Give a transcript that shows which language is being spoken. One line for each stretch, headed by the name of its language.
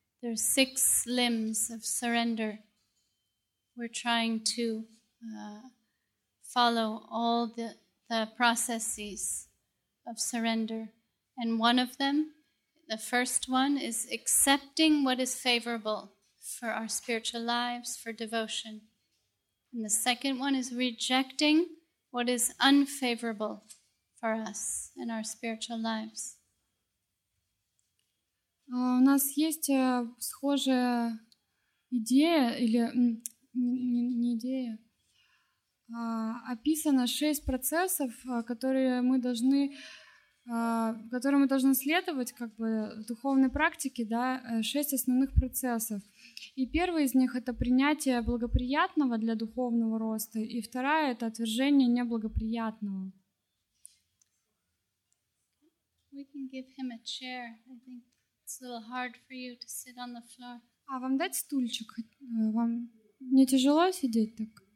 English: There's six limbs of surrender. We're trying to follow all the processes of surrender, and one of them, the first one, is accepting what is favorable for our spiritual lives, for devotion. And the second one is rejecting what is unfavorable for us in our spiritual lives.
Russian: У нас есть схожая идея, или не идея, описано шесть процессов, которые мы должны... которым мы должны следовать, как бы, в духовной практике, да, шесть основных процессов. И первый из них — это принятие благоприятного для духовного роста, и вторая — это отвержение неблагоприятного.
English: We can give him a chair. I think it's a little hard for you to sit on the floor.
Russian: А вам дать стульчик? Вам не тяжело сидеть так?